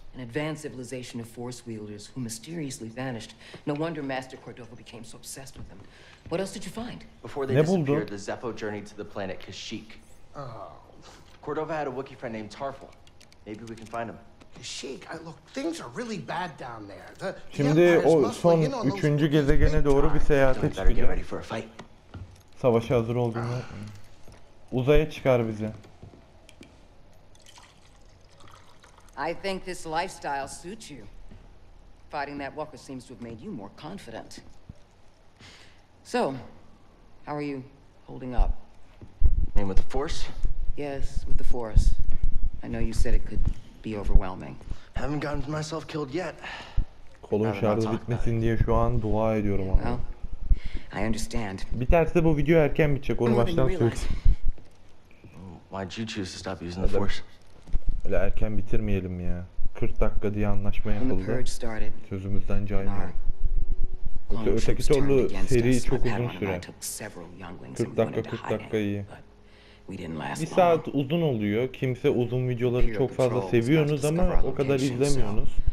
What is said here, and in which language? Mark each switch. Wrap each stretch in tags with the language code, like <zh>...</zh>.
<en>An advanced civilization of force wielders who mysteriously vanished. No wonder Master Cordova became so obsessed with them. What else did you find? Before they disappeared, the Zepho journeyed to the planet Kashyyyk. Oh. Cordova had a Wookiee friend named Tarful. Maybe we can find him. Kashyyyk, look, things are really bad down there.</en> <tr>Şimdi o son 3. gezegene doğru bir seyahate çıkacağız. Savaşa hazır olduğunu. Uzaya çıkar bizi.</tr> <en>I think this lifestyle suits you. Fighting that walker seems to have made you more confident. So, how are you holding up? Name with the force? Yes, with the force. I know you said it could be overwhelming. Haven't gotten myself killed yet.</en> <tr>Kolum şarjı bitmesin diye şu an dua ediyorum ama.</tr> <en>I understand.</en> <tr>Biterse bu video erken bitecek, onu baştan söyleyeyim.</tr> <en>Why did you choose to stop using the force?</en> <tr>Öyle erken bitirmeyelim ya. 40 dakika diye anlaşma yapıldı. Sözümüzden caymıyor. Yoksa öteki türlü seri çok uzun süre. 40 dakika 40 dakika iyi. Bir saat uzun oluyor. Kimse uzun videoları çok fazla seviyorsunuz ama o kadar izlemiyorsunuz.</tr>